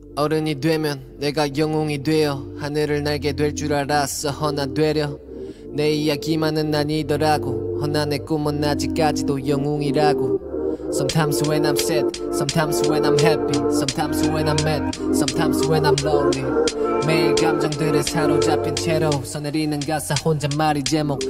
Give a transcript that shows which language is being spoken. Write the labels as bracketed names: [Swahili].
[Korean] 어른이 되면 내가 영웅이 되어 하늘을 날게 될 줄 알았어. 허나 되려 내 이야기만은 아니더라고. 허나 내 꿈은 아직까지도 영웅이라고. [English] Sometimes when I'm sad, sometimes when I'm happy, sometimes when I'm mad, sometimes when I'm lonely. [Korean] 매일 감정들에 사로잡힌 채로 써내리는 가사 혼잣말이 제목.